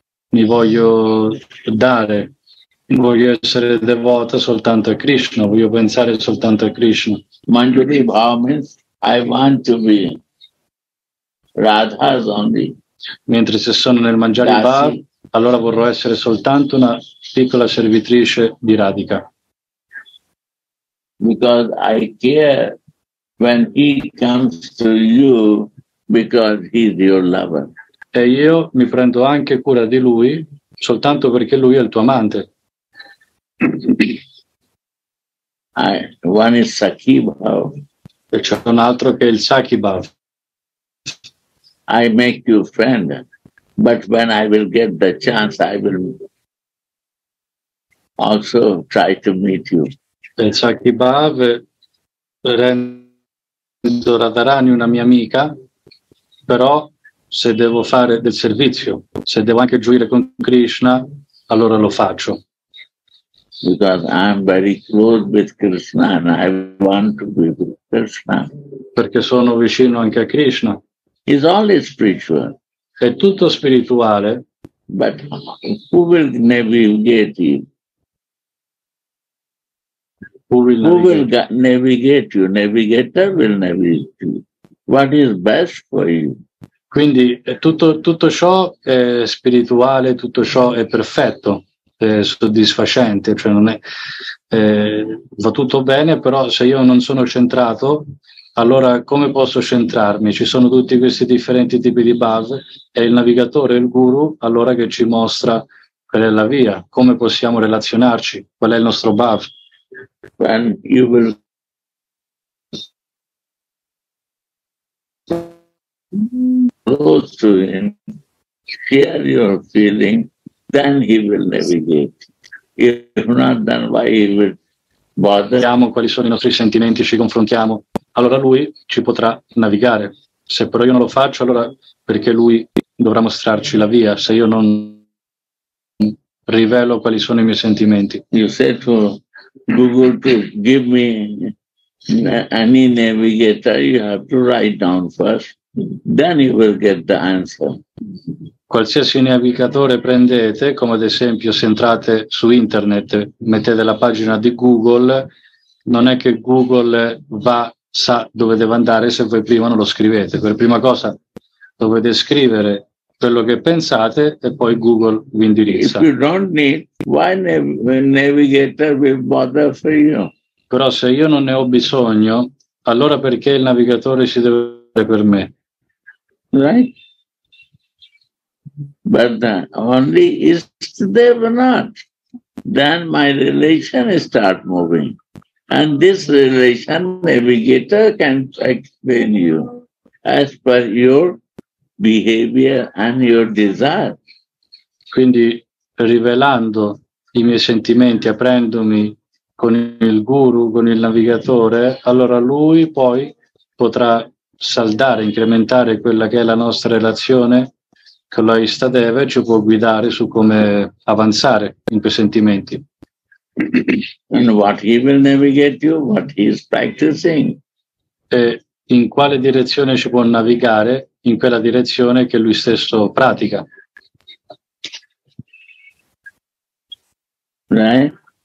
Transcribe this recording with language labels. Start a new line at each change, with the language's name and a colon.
Italian: Mi voglio dare, voglio essere devota soltanto a Krishna, voglio pensare soltanto a Krishna.
English: Manjuri Bhava means I want to be Radha's only.
Italian: Mentre se sono nel Manjari Bhava, allora vorrò essere soltanto una piccola servitrice di Radhika.
English: Because I care when he comes to you because he's your lover.
Italian: E io mi prendo anche cura di lui soltanto perché lui è il tuo amante.
English: One is Sakhi Bhav.
Italian: E c'è un altro che è il Sakhi Bhav.
English: I make you friend. But when I will get the chance, I will also try to meet you.
Italian: Il Sakhi Bhav rendo Radharani una mia amica, però se devo fare del servizio, se devo anche giuire con Krishna, allora lo faccio.
English: Because I'm very close with Krishna and I want to be with Krishna.
Italian: Perché sono vicino anche a Krishna.
English: He's only spiritual.
Italian: È tutto spirituale.
English: But who will navigate you? Who will navigate you? Navigator will navigate you. What is best for you?
Italian: Quindi tutto ciò è spirituale, tutto ciò è perfetto, è soddisfacente, cioè non è, va tutto bene, però se io non sono centrato, allora come posso centrarmi? Ci sono tutti questi differenti tipi di base, è il navigatore, il guru, allora che ci mostra qual è la via, come possiamo relazionarci, qual è il nostro bhav.
English: When you will close to him, share your feeling, then he will navigate. If not, then why he will bother?
Italian: Vediamo quali sono i nostri sentimenti, ci confrontiamo. Allora lui ci potrà navigare. Se però io non lo faccio, allora perché lui dovrà mostrarci la via? Se io non rivelo quali sono i miei sentimenti.
English: You said to Google to give me any navigator, you have to write down first. then you will get the answer.
Italian: Qualsiasi navigatore prendete, come ad esempio se entrate su internet, mettete la pagina di Google, non è che Google va, sa dove deve andare se voi prima non lo scrivete. Per prima cosa dovete scrivere quello che pensate e poi Google vi indirizza.
English: If you don't need, why navigator will bother for you?
Italian: Però se io non ne ho bisogno, allora perché il navigatore si deve fare per me?
English: Right? But then only is there not, then my relation start moving, and this relation navigator can explain you as per your behavior and your desire.
Italian: Quindi rivelando i miei sentimenti, aprendomi con il guru, con il navigatore, allora lui poi potrà saldare, incrementare quella che è la nostra relazione con la Ishtadeva, ci può guidare su come avanzare in quei sentimenti.
English: And what he will navigate you, what he is practicing.
Italian: E in quale direzione ci può navigare? In quella direzione che lui stesso pratica.
English: Right?